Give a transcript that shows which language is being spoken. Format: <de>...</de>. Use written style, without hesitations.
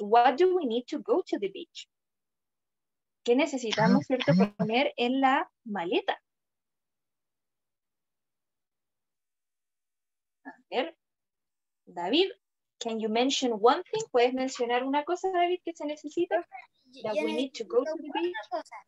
<en>What do we need to go to the beach?</en> <es>¿Qué necesitamos, cierto, poner en la maleta? A ver,</es> <en>David, can you mention one thing?</en> <es>¿Puedes mencionar una cosa, David, que se necesita?</es> <en>That we need to go to the beach.</en>